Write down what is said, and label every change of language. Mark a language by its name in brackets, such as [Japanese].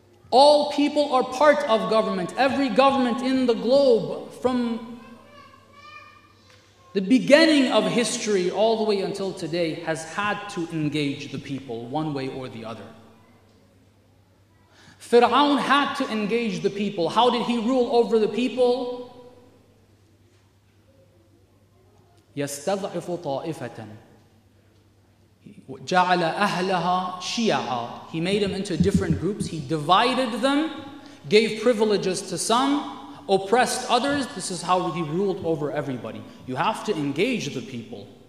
[English] All people are part of government. Every government in the globe from the beginning of history all the way until today has had to engage the people one way or the other. Fir'aun had to engage the people. How did he rule over the people? [Arabic] يَسْتَضْعِفُ طَائِفَةً. He جعل أهلها شيعة. [English] He made them into different groups. He divided them, gave privileges to some, oppressed others. This is how he ruled over everybody. You have to engage the people.